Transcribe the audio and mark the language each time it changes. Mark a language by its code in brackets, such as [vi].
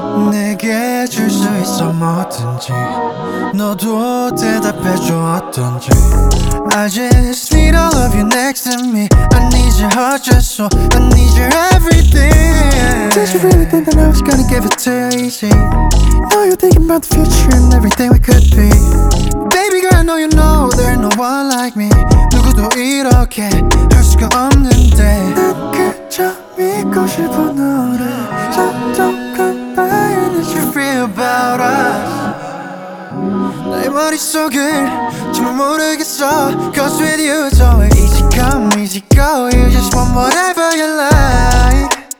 [ko] 내게 줄 수 있어 뭐든지, 너도 대답해줘 어떤지. [en] I just need all of you next to me. I need your heart, your soul, I need your everything. Did you really think that I was gonna give it to you easy? Now you're thinking about the future and everything we could be. Baby girl, I know you know there's no one like me. [ko] 누구도 이렇게 할 수가 없는데. 난 그저 믿고 싶어 너를. [en] So don't complain and let you feel about us. [ko] 내 머릿속을 정말 모르겠어. [en] Cause with you it's always easy come, easy go. You just want whatever you like.